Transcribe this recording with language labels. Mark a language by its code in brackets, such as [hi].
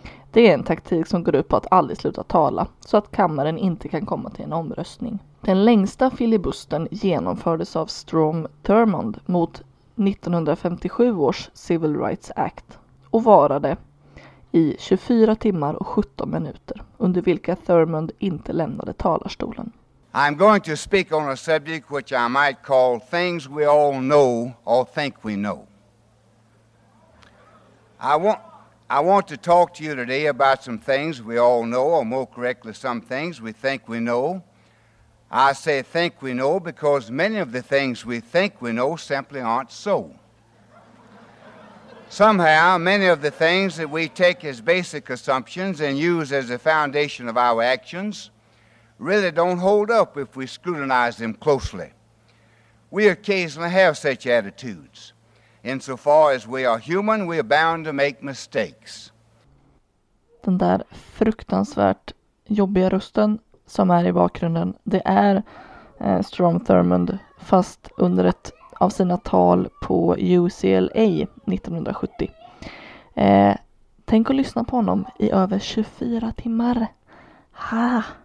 [sv] Det är en taktik som går ut på att aldrig sluta tala, så att kammaren inte kan komma till en omröstning. Den längsta filibustern genomfördes av Strom Thurmond mot 1957 års Civil Rights Act och varade i 24 timmar och 17 minuter, under vilka Thurmond inte lämnade talarstolen. [en] I'm going to speak on a subject which I might call things we all know or think we know. I want to talk to you today about some things we all know, or more correctly, some things we think we know. I say think we know because many of the things we think we know simply aren't so. Somehow, many of the things that we take as basic assumptions and use as the foundation of our actions really don't hold up if we scrutinize them closely. We occasionally have such attitudes. Insofar as we are human, we are bound to make mistakes. [sv] Den där fruktansvärt jobbiga rösten som är i bakgrunden, det är Strom Thurmond, fast under ett av sina tal på UCLA 1970. Tänk att lyssna på honom i över 24 timmar. Ha!